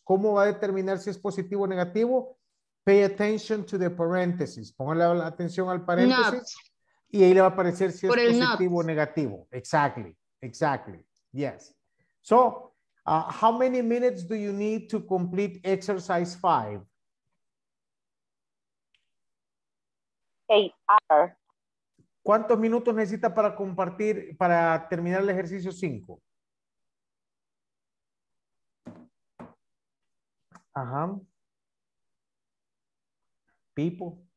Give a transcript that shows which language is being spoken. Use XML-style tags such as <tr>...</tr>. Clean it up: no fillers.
<es>¿Cómo va a determinar si es positivo o negativo?</es> <en>Pay attention to the parentheses.</en> <es>Póngale la atención al paréntesis.</es> <en>Not.</en> <es>Y ahí le va a aparecer si es positivo o negativo.</es> <en>Exactly. Yes. So, how many minutes do you need to complete exercise 5? 8 hours.</en> <es>¿Cuántos minutos necesita para compartir, para terminar el ejercicio 5? Ajá.</es> <en>People.</en>